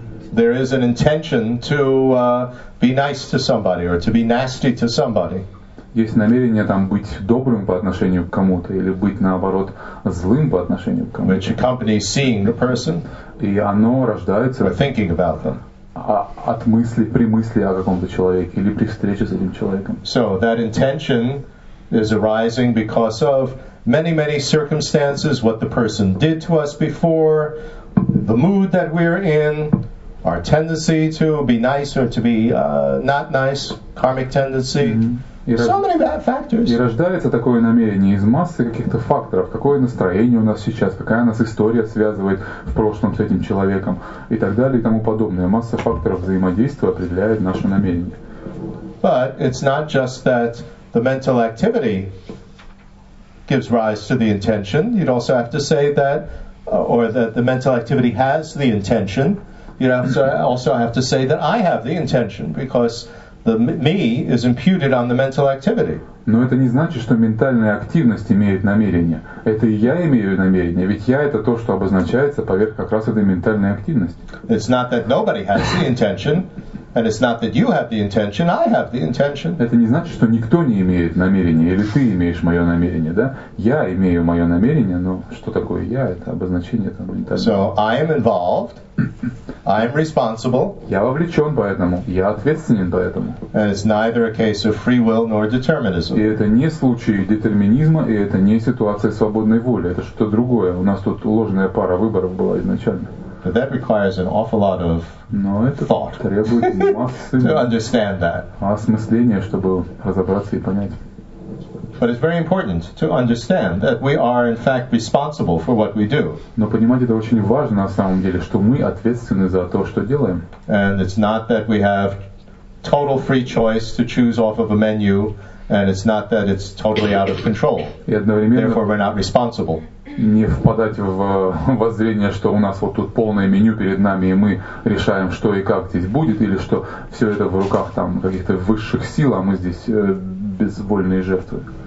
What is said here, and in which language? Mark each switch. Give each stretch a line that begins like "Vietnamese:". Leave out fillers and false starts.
English: There is an intention to be nice to somebody or to be nasty to somebody.
Russian: Есть намерение там быть добрым по отношению к кому-то или быть наоборот злым по отношению к кому-то.
English: Which accompanies seeing the person.
Russian: И оно рождается
English: or thinking about them.
Russian: От мысли, при мысли о каком-то человеке или при встрече с этим человеком.
English: So that intention is arising because of many, many circumstances, what the person did to us before, the mood that we're in. Our tendency to be nice or to be not nice, karmic tendency. So many bad factors.
Russian: И рождается такое намерение из массы каких-то факторов. Какое настроение у нас сейчас, какая нас история связывает в прошлом с этим человеком и так далее и тому подобное. Масса факторов взаимодействия определяет наше намерение.
English: But it's not just that the mental activity gives rise to the intention. You'd also have to say that, or that the mental activity has the intention. You know, so I also have to say that I have the intention because the me is imputed on the mental activity.
Russian: Но это не значит, что ментальная активность имеет намерение. Это и я имею намерение, ведь я — это то, что обозначается поверх как раз этой ментальной активности.
English: It's not that nobody has the intention, and it's not that you have the intention, I have the intention.
Russian: Это не значит, что никто не имеет намерения, или ты имеешь мое намерение, да? Я имею мое намерение, но что такое я? Это обозначение там ментальное.
English: So I am involved. I am responsible.
Russian: Я вовлечен поэтому. Я ответственен поэтому.
English: And it's neither a case of free will nor determinism.
Russian: И это не случай детерминизма, и это не ситуация свободной воли. Это что-то другое. У нас тут ложная пара выборов была изначально.
English: But that requires an awful lot of thought to understand that.
Russian: Осмысление, чтобы разобраться и понять.
English: But it's very important to understand that we are in fact responsible for what we do.
Russian: Но понимать это очень важно на самом деле, что мы ответственны за то, что делаем.
English: And it's not that we have total free choice to choose off of a menu, and it's not that it's totally out of control.
Russian: И одновременно,
English: therefore we're not responsible.
Russian: Не впадать в воззрение, что у нас вот тут полное меню перед нами, и мы решаем, что и как здесь будет, или что все это в руках там каких-то высших сил, а мы здесь безвольные жертвы.